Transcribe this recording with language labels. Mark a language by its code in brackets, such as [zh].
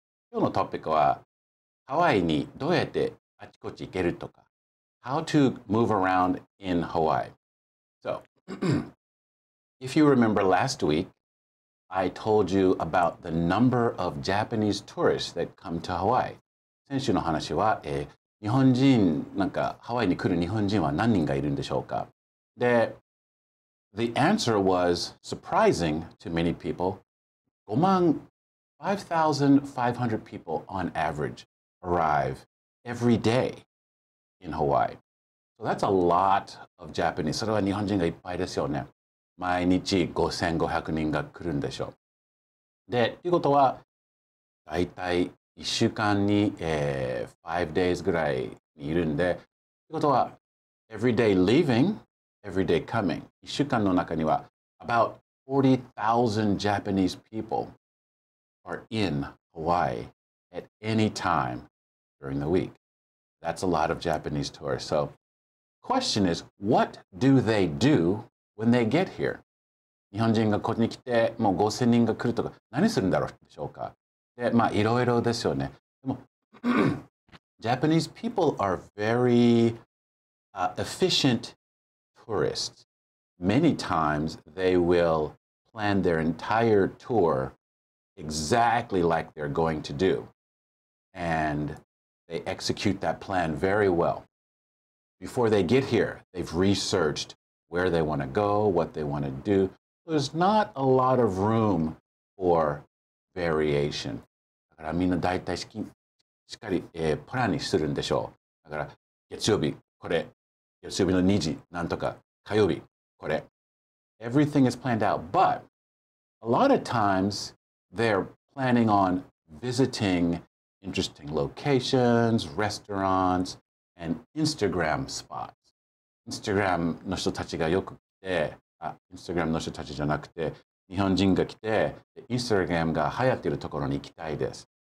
[ja] 今日のトピックは、ハワイにどうやってあちこち行けるとか。 [en] How to move around in Hawaii. So, if you remember last week, I told you about the number of Japanese tourists that come to Hawaii. [ja] 先週の話は、日本人、なんかハワイに来る日本人は何人がいるんでしょうか。 [en] で、The answer was surprising to many people. 5,500 people on average arrive every day in Hawaii. So that's a lot of Japanese. [ja] それは日本人がいっぱいですよね。毎日5,500人が来るんでしょう。で、ということは、だいたい1週間に、5 days ぐらいにいるんで、ということは、 [en] every day leaving,Every day coming. [ja] 一週間の中には [en] about 40,000 Japanese people are in Hawaii at any time during the week. That's a lot of Japanese tourists. So, question is, what do they do when they get here? [ja] 日本人がこっちに来て、もう5,000人が来るとか、何するんだろうでしょうか。で、まあいろいろですよね。でも、 [en] Japanese people are very, efficient. Tourists, many times they will plan their entire tour exactly like they're going to do. And they execute that plan very well. Before they get here, they've researched where they want to go, what they want to do. There's not a lot of room for variation. [ja] だからみんな大体しっかり、プランにするんでしょう。だから月曜日これ、月曜日の2時なんとか。火曜日、これ。 [en] Everything is planned out, but a lot of times they're planning on visiting interesting locations, restaurants, and Instagram spots. [ja] Instagram の人たちがよく来て、Instagram の人たちじゃなくて、日本人が来て、Instagram が流行っているところに行きたいです。